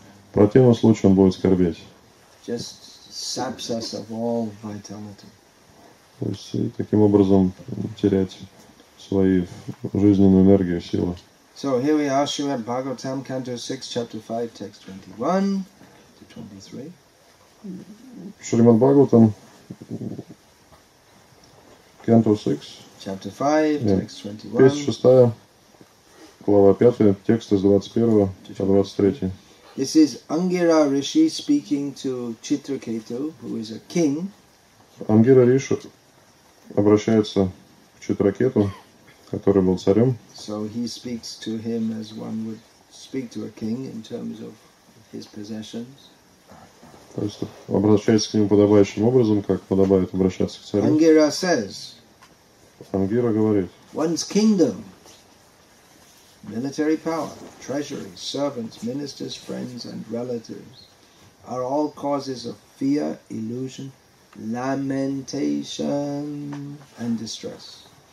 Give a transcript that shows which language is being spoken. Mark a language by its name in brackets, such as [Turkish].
[Russian] В противном случае он будет скорбеть. [English] Just saps us of all vitality. [Russian] То есть и таким образом терять свою жизненную энергию, силы. [English] So here we are, Srimad Bhagavatam, Canto 6, Chapter 5, Text 21-23. Srimad Bhagavatam, Canto 6, Chapter 5, Text 21. [Russian] Песня 6. Глава 5, текст из 21-23. [English] This is Angira Rishi speaking to Chitraketu, who is a king. [Russian] Ангира Риши обращается к Читракету, который был царем. [English] So he speaks to him as one would speak to a king in terms of his possessions. [Russian] То есть обращается к нему подобающим образом, как подобает обращаться к царю. [English] Ангира says. [Russian] Ангира говорит. [English] One's kingdom. Military power, treasury, servants, ministers, friends, and relatives are all causes of fear, illusion, lamentation, and distress.